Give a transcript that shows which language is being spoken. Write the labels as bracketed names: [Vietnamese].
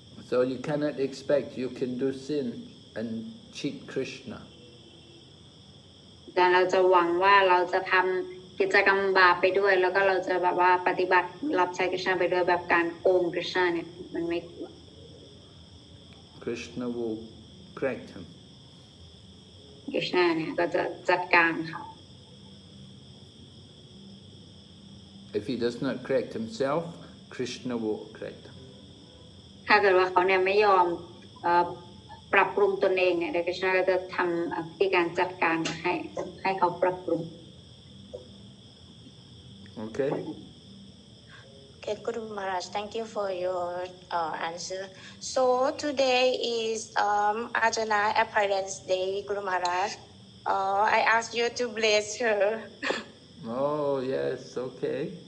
[English] So you cannot expect you can do sin and cheat Krishna. Then [Thai] เราจะหวังว่าเราจะทำกิจกรรมบาปไปด้วยแล้วก็เราจะแบบว่าปฏิบัติรับใช้ Krishna ไปด้วยแบบการโกง Krishna เนี่ยมันไม่ [English] Krishna will correct him. [Thai] Krishna เนี่ยก็จะจัดการเขา [English] If he does not correct himself, Krishna will correct him. [Thai] ถ้าเกิดว่าเขาเนี่ยไม่ยอมปรับปรุงตนเองเนี่ยเดี๋ยวคริสต์ก็จะทำวิธีการจัดการให้เขาปรับปรุง โอเค โอเคคุณมาราช [English] thank you for your answer so today is Arjuna appearance day [Thai] คุณมาราช [English] I ask you to bless her oh yes okay